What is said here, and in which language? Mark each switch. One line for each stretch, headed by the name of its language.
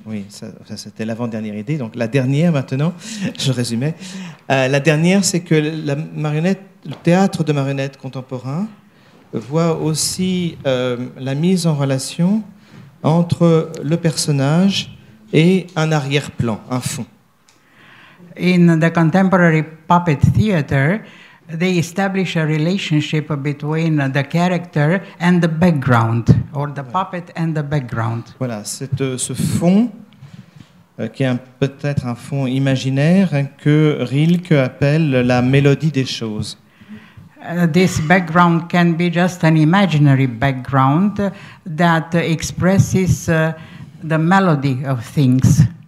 French: Oui, ça c'était l'avant-dernière idée. Donc la dernière maintenant, je résumais. La dernière, c'est que la marionnette, le théâtre de marionnettes contemporain voit aussi la mise en relation entre le personnage et un arrière-plan, un fond.
English: In the contemporary puppet theater, they establish a relationship between the character and the background, or the puppet and the background.
French: Voilà, c'est ce fond qui est peut-être un fond imaginaire que Rilke appelle la mélodie des choses.
English: This background can be just an imaginary background that expresses the melody of things.